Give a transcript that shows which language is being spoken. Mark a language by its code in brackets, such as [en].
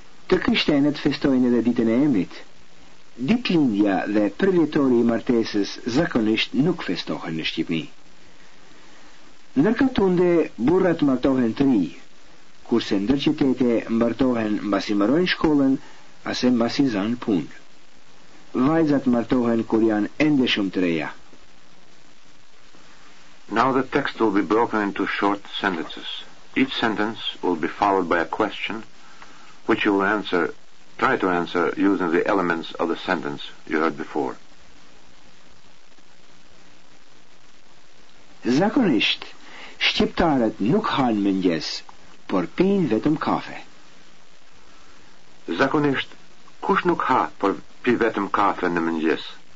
[sq] Të krishterët festojnë edhe ditën e Emrit. Ditëlindja dhe përvjetori i martesës zakonisht nuk festohen në Shqipni. Ndër katunde, burrat martohen të ri, kurse ndër qytete martohen mbasi mbarojnë shkollën, ase mbasi zanë punë. Vajzat martohen kur janë ende shumë të reja. [en] Now the text will be broken into short sentences. Each sentence will be followed by a question, which you will answer. Try to answer using the elements of the sentence you heard before. [sq] Zakonisht, shqiptarët nuk hanë mëngjes, por pinë vetëm kafe. Zakonisht, kush nuk ha por pi vetëm kafe në mëngjes?